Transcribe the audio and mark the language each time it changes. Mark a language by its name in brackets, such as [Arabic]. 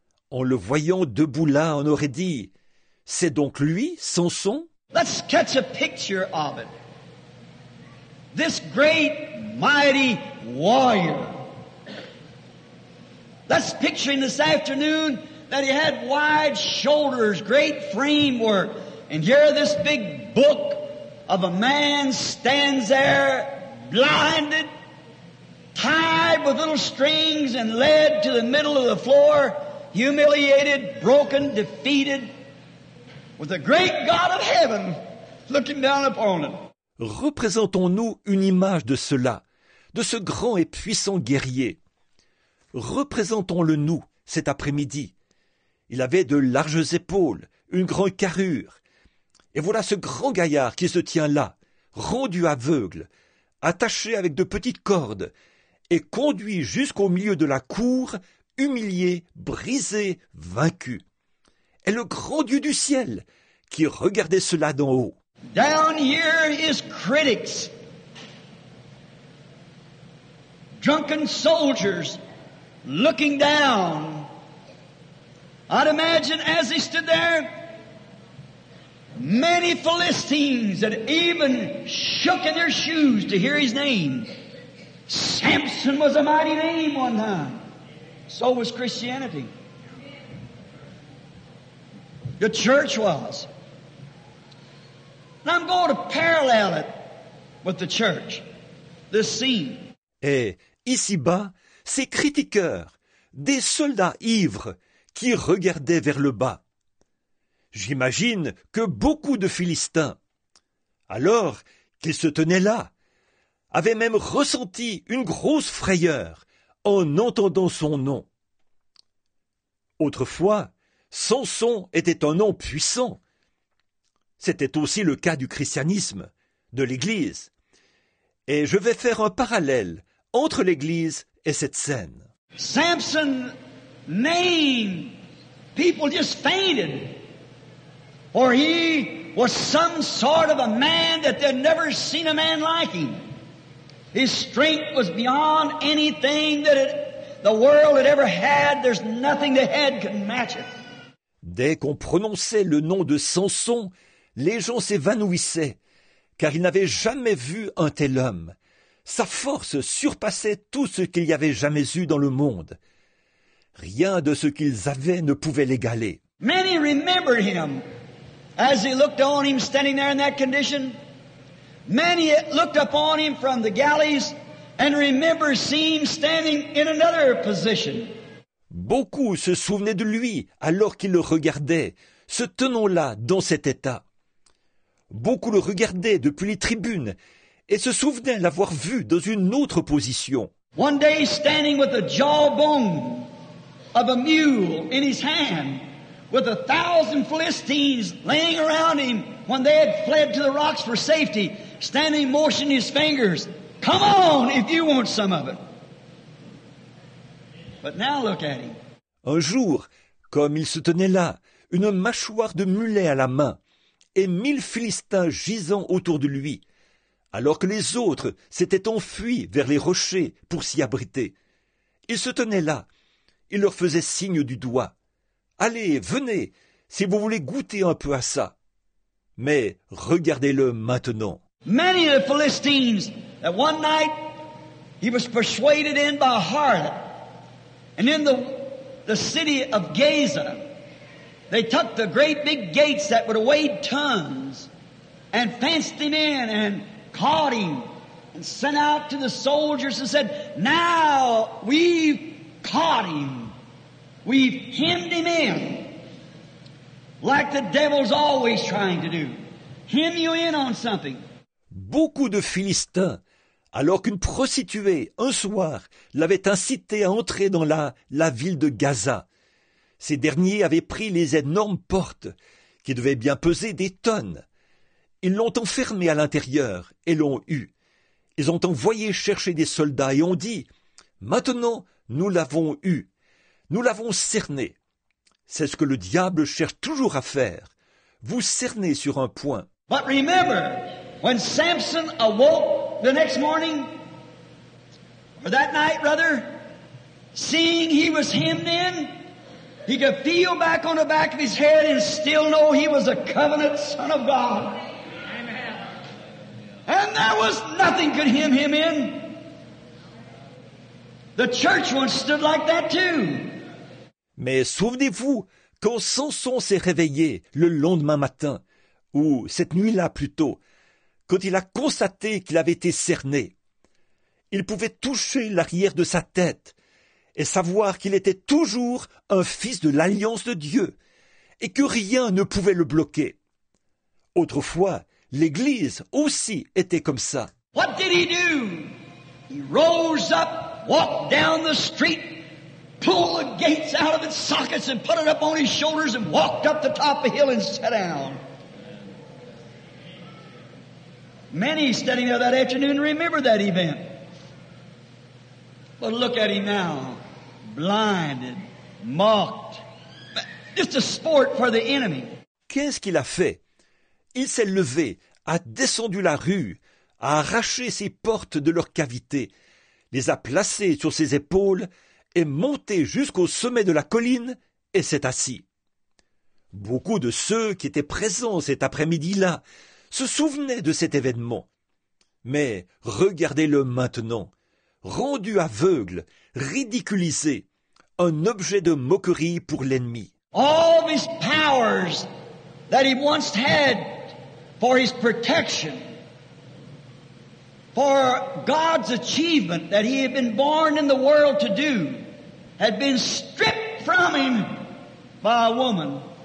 [French] En le voyant debout là, on aurait dit, c'est donc lui, Samson? [English] Let's catch a picture of it. This great, mighty warrior. Let's picture him this afternoon that he had wide shoulders, great framework. And here this big book of a man stands there, blinded, tied with little strings and led to the middle of the floor, humiliated, broken, defeated, with the great God of heaven looking down upon him. [French] Représentons-nous une image de cela, de ce grand et puissant guerrier. Représentons-le nous cet après-midi. Il avait de larges épaules, une grande carrure. Et voilà ce grand gaillard qui se tient là, rendu aveugle, attaché avec de petites cordes, et conduit jusqu'au milieu de la cour, humilié, brisé, vaincu. Et le grand Dieu du ciel qui regardait cela d'en haut. [English] Down here his critics, drunken soldiers looking down. I'd imagine as he stood there, many Philistines that even shook in their shoes to hear his name. Samson was a mighty name one time. So was Christianity. The church was. I'm going to parallel it with the church, this scene. [French] Et ici-bas, ces critiqueurs, des soldats ivres qui regardaient vers le bas. J'imagine que beaucoup de Philistins, alors qu'ils se tenaient là, avaient même ressenti une grosse frayeur en entendant son nom. Autrefois, Samson était un nom puissant. C'était aussi le cas du christianisme, de l'Église. Et je vais faire un parallèle entre l'Église et cette scène. [English] Samson, name, people just fainted. For he was some sort of a man that they'd never seen a man like him. His strength was beyond anything that the world had ever had. There's nothing the head can match it. [French] Dès qu'on prononçait le nom de Samson, les gens s'évanouissaient, car ils n'avaient jamais vu un tel homme. Sa force surpassait tout ce qu'il y avait jamais eu dans le monde. Rien de ce qu'ils avaient ne pouvait l'égaler. [English] Many remembered him as they looked on him standing there in that condition. Many looked upon him from the galleys and remembered seeing him standing in another position. [French] Beaucoup se souvenaient de lui alors qu'ils le regardaient, se tenant là dans cet état. Beaucoup le regardaient depuis les tribunes et se souvenaient l'avoir vu dans une autre position. [English] One day standing with the jawbone of a mule in his hand, with 1,000 Philistines laying around him when they had fled to the rocks for safety, standing motioning his fingers, come on if you want some of it. But now look at him. [French] Un jour, comme il se tenait là, une mâchoire de mulet à la main, et 1,000 Philistins gisant autour de lui, alors que les autres s'étaient enfuis vers les rochers pour s'y abriter. Il se tenait là, il leur faisait signe du doigt. Allez, venez, si vous voulez goûter un peu à ça. Mais regardez-le maintenant. [English] Many of the Philistines, that one night, he was persuaded in by a harlot. And in the city of Gaza, they took the great big gates that would weigh tons and fenced him in and caught him and sent out to the soldiers and said, now we've caught him. We've hemmed him in like the devil's always trying to do. Hem you in on something. [French] Beaucoup de Philistins, Alors qu'une prostituée, un soir, l'avait incité à entrer dans la ville de Gaza, ces derniers avaient pris les énormes portes qui devaient bien peser des tonnes. Ils l'ont enfermée à l'intérieur et l'ont eue. Ils ont envoyé chercher des soldats et ont dit « Maintenant, nous l'avons eue. Nous l'avons cernée. » C'est ce que le diable cherche toujours à faire. Vous cerner sur un point. [English] But remember, when Samson awoke the next morning, or that night rather, seeing he was him then, he could feel back on the back of his head and still know he was a covenant son of God. And there was nothing could hem him in. The church once stood like that too. [French] Mais souvenez-vous, quand Samson s'est réveillé le lendemain matin, ou cette nuit-là plutôt, quand il a constaté qu'il avait été cerné, il pouvait toucher l'arrière de sa tête et savoir qu'il était toujours un fils de l'Alliance de Dieu et que rien ne pouvait le bloquer. Autrefois, l'Église aussi était comme ça. [English] What did he do? He rose up, walked down the street, pulled the gates out of its sockets and put it up on his shoulders and walked up the top of the hill and sat down. Many standing there that afternoon remember that event. But look at him now, blinded, mocked, just a sport for the enemy. [French] Qu'est-ce qu'il a fait? Il s'est levé, a descendu la rue, a arraché ses portes de leur cavité, les a placées sur ses épaules, est monté jusqu'au sommet de la colline et s'est assis. Beaucoup de ceux qui étaient présents cet après-midi-là se souvenaient de cet événement. Mais regardez-le maintenant, rendu aveugle, ridiculisé, un objet de moquerie pour l'ennemi. [English] All his powers that he once had for his protection, for God's achievement that he had been born in the world to do, had been stripped from him by a woman.